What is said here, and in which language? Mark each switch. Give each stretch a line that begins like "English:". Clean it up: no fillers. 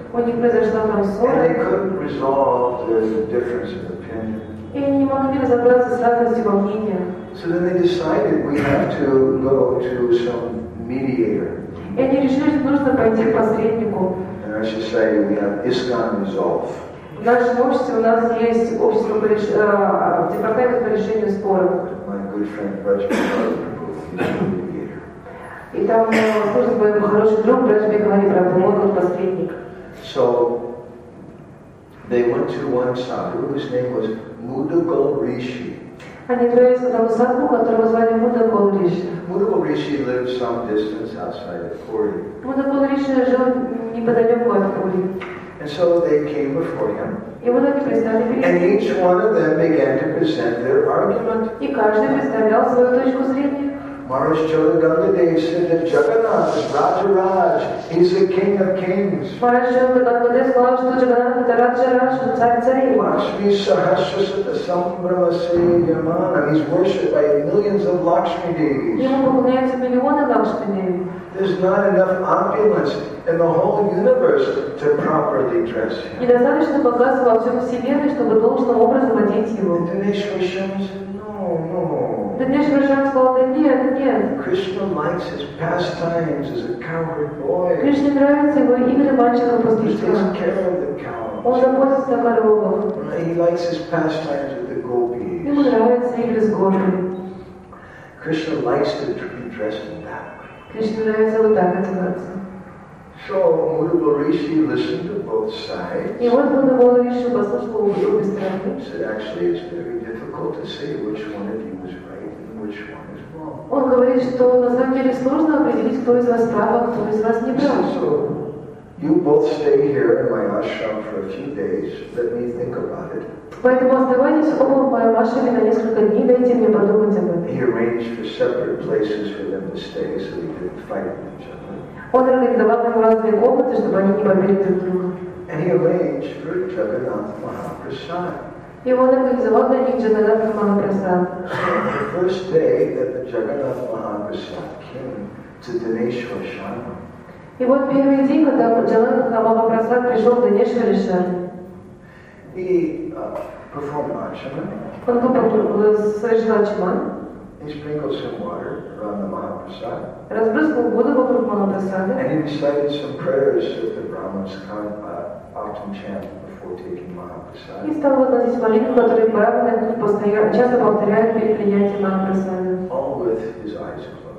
English: And they couldn't resolve the difference of opinion. So then they decided we have to go to some mediator.
Russian: И они решили, что нужно пойти к посреднику.
English: Society, we have ISKCON Resolve.
Russian: В нашем обществе у нас есть общество по департамент по решению споров.
English: My good friend,
Russian: и там служит мой хороший друг, Брэдж Бекхари, правда, он был посредник.
English: So they went to one sadhu, whose name was Mudugal Rishi.
Russian: Они отправились к одному садху, которого звали Мудугал Риши.
English: Mudugal Rishi lived some distance outside of Puri.
Russian: Mudugal Rishi жил неподалеку от Puri.
English: And so they came before him.
Russian: И вот они представили перед ним. And each one of them began to present their argument. И каждый представлял свою точку зрения.
English: Maharaj Chodakangadev said that Jagannath is Rajaraj. He's the king of kings.
Russian: Maharaj Chodakangadev сказал, что Jagannath это Rajaraj, он царь царей.
Sanskrit: Lakshmi Sahasrasata Sambhramase Yamana.
English: He's worshipped by millions of Lakshmi Devis.
Russian: Ему поклоняются миллионы Лакшми Деви.
English: There's not enough opulence in the whole universe to properly dress him.
Russian: Недостаточно богатства во всем вселенной, чтобы должным образом одеть его.
English: And Dhaneshwara Sharma said, no, no.
Russian: Dhaneshwara Sharma сказал, да нет, нет.
English: Krishna likes his pastimes as a coward boy.
Russian: Кришне нравится его игры мальчиком пастушка.
English: He takes care of the cows.
Russian: Он заботится о коровах.
English: He likes his pastimes with the gopis.
Russian: Ему нравятся игры с гопи.
English: Krishna likes to be dressed in that way.
Russian: Кришне нравится вот так одеваться.
English: So Mudugal Rishi listened to both sides.
Russian: И вот Mudugal Rishi послушал обе стороны.
English: He said, actually, it's very difficult to say which one of you was right.
Russian: Он говорит, что на самом деле сложно определить, кто из вас прав, а кто из вас не прав.
English: So, you both stay here in my ashram for a few days. Let me think about it.
Russian: Поэтому оставайтесь оба в моем ашраме на несколько дней, дайте мне подумать об этом.
English: He arranged for separate places for them to stay, so they could fight with each other.
Russian: Он организовал им разные комнаты, чтобы они не побили друг друга.
English: And he arranged for Jagannath Mahaprasad.
Russian: И он организовал для них Джаганнатха Махапрасад.
English: So the first day that the Jagannath Mahaprasad came to Dhaneshwara Sharma.
Russian: И вот первый день, когда Джаганнатха Махапрасад пришел в Dhaneshwara Sharma.
English: He performed ачаман.
Russian: Он совершил ачаман.
English: He sprinkled some water around the Mahaprasad.
Russian: Разбрызгал воду вокруг Махапрасада.
English: And he recited some prayers that the Brahmins often chant. Taking
Russian: и стал возносить молитву, которую Брахманы часто повторяют перед принятием Махапрасады.